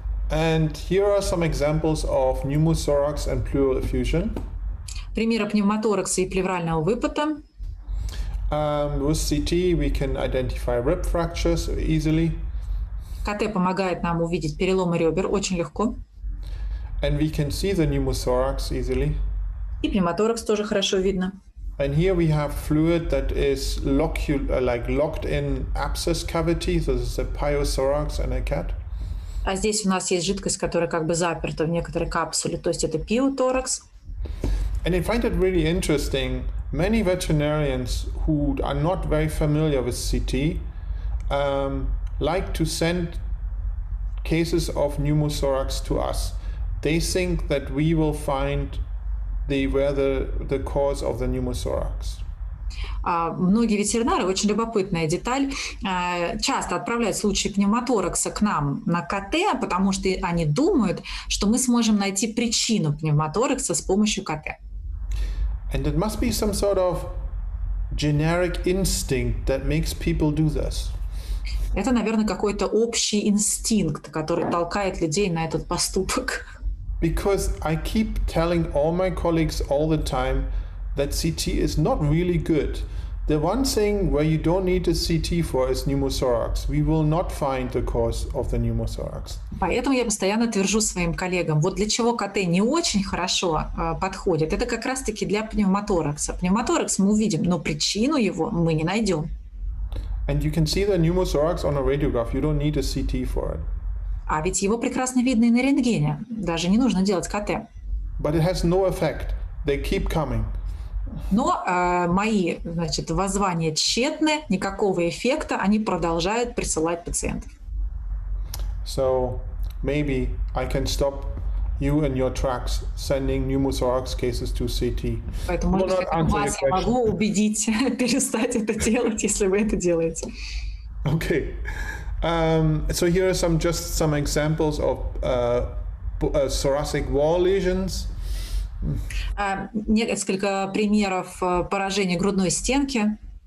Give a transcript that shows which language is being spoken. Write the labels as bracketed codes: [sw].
[en] And here are some examples of pneumothorax and pleural effusion. [ru] Примеры пневмоторакса и плеврального выпада. [en] With CT we can identify rib fractures easily. [ru] КТ помогает нам увидеть переломы ребер очень легко. [en] And we can see the pneumothorax easily. [ru] И пневмоторакс тоже хорошо видно. [en] And here we have fluid that is locked in abscess cavity. So this is a pyothorax and a CAT. [ru] А здесь у нас есть жидкость, которая как бы заперта в некоторой капсуле, то есть это пиоторакс. [en] And I find it really interesting. Many veterinarians who are not very familiar with CT like to send cases of pneumothorax to us. They think that we will find the cause of the pneumothorax. [ru] Многие ветеринары, очень любопытная деталь, часто отправляют случаи пневмоторакса к нам на КТ, потому что они думают, что мы сможем найти причину пневмоторакса с помощью КТ. [en] And it must be some sort of generic instinct that makes people do this. [ru] Это, наверное, какой-то общий инстинкт, который толкает людей на этот поступок. [en] Because I keep telling all my colleagues all the time that CT is not really good. The one thing where you don't need a CT for is pneumothorax. We will not find the cause of the pneumothorax. [ru] Поэтому я постоянно твержу своим коллегам, вот для чего КТ не очень хорошо подходит. Это как раз-таки для пневмоторакса. Пневмоторакс мы увидим, но причину его мы не найдем. [en] And you can see the pneumothorax on a radiograph. You don't need a CT for it. [ru] А ведь его прекрасно видно и на рентгене. Даже не нужно делать КТ. [en] But it has no effect. They keep coming. [ru] Но мои, значит, воззвания тщетны, никакого эффекта, они продолжают присылать пациентов. [en] So, maybe I can stop you and your tracks sending pneumothorax cases to CT. [ru] Поэтому, может, вас я вас могу убедить перестать это делать, если вы это делаете. [en] Okay. So here are some examples of thoracic wall lesions. [ru] Несколько примеров поражения грудной стенки.